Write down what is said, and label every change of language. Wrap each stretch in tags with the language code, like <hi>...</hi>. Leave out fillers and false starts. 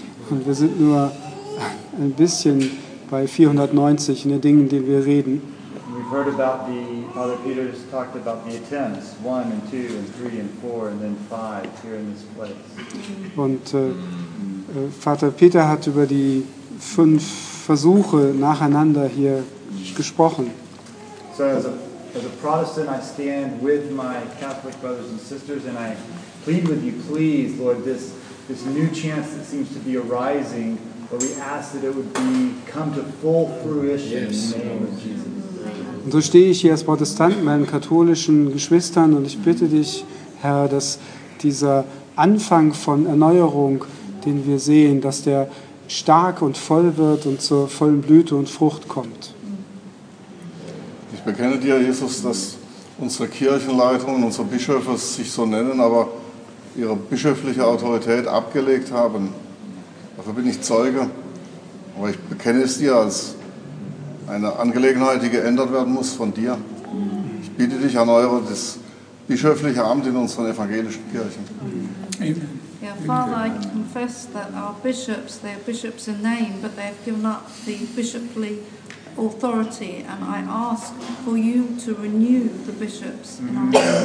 <de>Und wir sind nur ein bisschen bei 490 in den Dingen, in denen wir reden.</de> <en>We've heard about the Father Peter has talked about the attempts 1 and 2 and 3 and 4 and then 5 here in this place.</en> <de>Und Vater Peter hat über die 5 Versuche nacheinander hier gesprochen.</de> <en>So as a Protestant, I stand with my Catholic brothers and sisters and I plead with you, please, Lord, this new chance that seems to be arising, where we ask that it would be come to full fruition in the name of Jesus.</en> <de>Und so stehe ich hier als Protestant mit meinen katholischen Geschwistern und ich bitte dich, Herr, dass dieser Anfang von Erneuerung, den wir sehen, dass der stark und voll wird und zur vollen Blüte und Frucht kommt. Ich bekenne dir, Jesus, dass unsere Kirchenleitungen, unsere Bischöfe sich so nennen, aber ihre bischöfliche Autorität abgelegt haben. Dafür bin ich Zeuge. Aber ich bekenne es dir als eine Angelegenheit, die geändert werden muss von dir. Ich bitte dich, erneuere das bischöfliche Amt in unseren evangelischen Kirchen. Amen.</de> <en>Yeah, Father, I confess that our bishops, they are bishops in name, but they have given up the bishoply authority, and I ask for you to renew the bishops in our name.</en>